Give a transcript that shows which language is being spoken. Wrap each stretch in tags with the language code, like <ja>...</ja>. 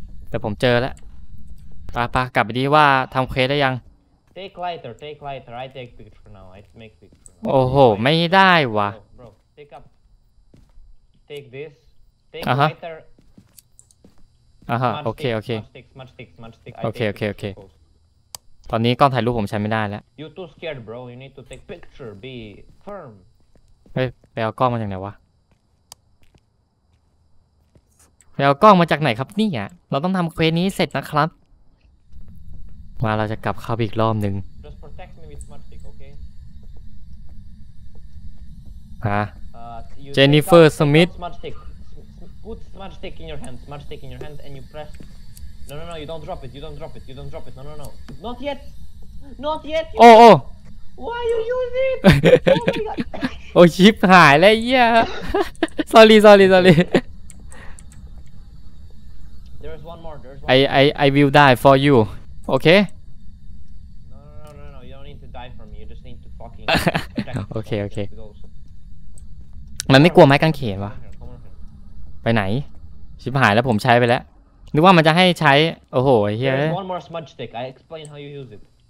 <th>แต่ผมเจอแล้วป่ะป่ะกลับไปดีว่าทำเควสได้ยัง</th> <en>Take lighter take lighter I take picture now I make picture</en> <th>โอ้โหไม่ได้วะ</th> <en>bro, bro take up take this take lighter</en> <th>อ่ะฮะโอเคโอเค</th> <en>Matchstick</en> <th>โอเคโอเคโอเคตอนนี้กล้องถ่ายรูปผมใช้ไม่ได้แล้ว</th> <en>You too scared bro you need to take picture be firm</en> <th>เฮ้ยไปเอากล้องมาจากไหนวะไปเอากล้องมาจากไหนครับนี่อ่ะเราต้องทำเควสนี้เสร็จนะครับมาเราจะกลับเข้าอีกรอบนึง</th> <en>Just protect me with magic, okay?</en> <th>ฮะเจนนิเฟอร์สมิธ</th> <en>Put smart stick in your hand, smart stick in your hand and you press No, no, no, you don't drop it, you don't drop it, you don't drop it, no, no, no Not yet! Not yet! โอ้โอ้ Why you use it? Oh my god!</en> <th>โอ้ชิปหายแล้วเหี้ย</th> <en>sorry there's one more I will die for you okay no you don't need to die for me you just need to fucking</en> <th>okay มันไม่กลัวไม้กางเขนวะไปไหนชิปหายแล้วผมใช้ไปแล้วนึกว่ามันจะให้ใช้โอ้โหไอ้เหี้ย</th> <en>there's one more smudge stick I explain how you use it</en>